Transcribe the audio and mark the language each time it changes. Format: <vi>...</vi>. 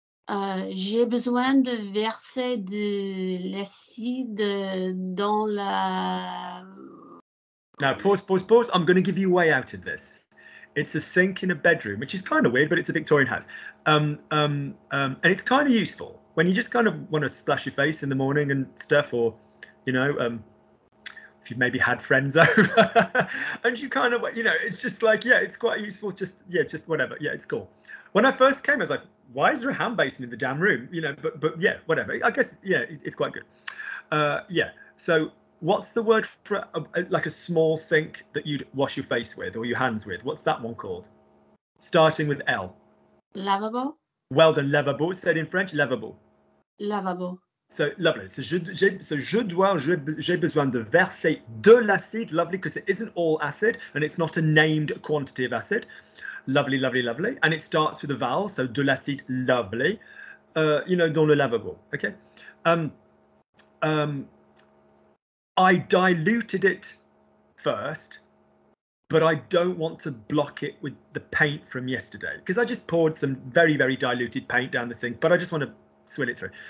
<fr>J'ai besoin de verser de l'acide dans la...</fr> <en>Now, pause. I'm going to give you a way out of this. It's a sink in a bedroom, which is kind of weird, but it's a Victorian house. And it's kind of useful when you just kind of want to splash your face in the morning and stuff, or, you know, if you've maybe had friends over and you kind of, you know, it's just like, yeah, it's quite useful. Just, yeah, just whatever. Yeah, it's cool. When I first came, I was like, why is there a hand basin in the damn room? You know, but yeah, whatever. I guess, yeah, it's quite good. Yeah. So what's the word for like a small sink that you'd wash your face with or your hands with? What's that one called? Starting with L.</en> <fr>Lavabo.</fr> <en>Well done, lavabo. Said in French, lavabo.</en> <fr>Lavabo.</fr> <en>So lovely.</en> <fr>So je dois, j'ai besoin de verser de l'acide.</fr> <en>Lovely, because it isn't all acid and it's not a named quantity of acid. Lovely, lovely, lovely. And it starts with a vowel. So</en> <fr>de l'acide,</fr> <en>lovely. You know,</en> <fr>dans le lavabo.</fr> <en>Okay. I diluted it first, but I don't want to block it with the paint from yesterday because I just poured some very, very diluted paint down the sink, but I just want to swill it through.</en>